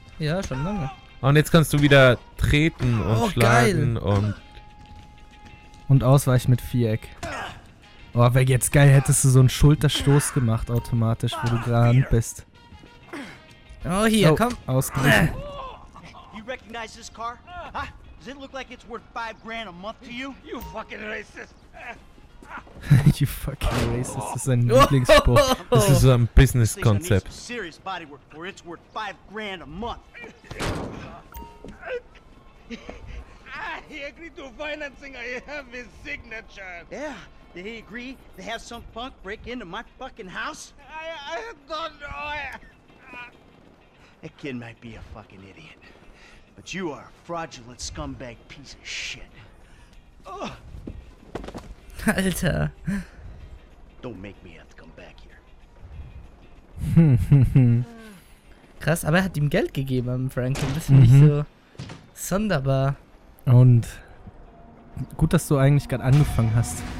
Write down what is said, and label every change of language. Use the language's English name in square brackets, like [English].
[German] Ja, schon lange. Und jetzt kannst du wieder treten und schlagen und. Und ausweichen mit Viereck. Oh, wäre jetzt geil, hättest du so einen Schulterstoß gemacht automatisch, wo du gerade bist. Oh, hier, komm! Ausgerichtet. [English] You recognize this car? Does it look like it's worth 5 grand a month to you? You fucking racist! You fucking racist, [German] das ist ein Lieblingsspruch. Das ist so ein Business-Konzept. [English] Serious bodywork for it's worth 5 grand a month. He agreed to financing, I have his signature. Yeah, did he agree to have some punk break into my fucking house? I don't know. That kid might be a fucking idiot. But you are a fraudulent scumbag piece of shit. [German] Alter. [English] Don't make me have to come back here. [German] Krass, aber er hat ihm Geld gegeben am Franklin. Das finde ich so sonderbar. Und gut, dass du eigentlich gerade angefangen hast.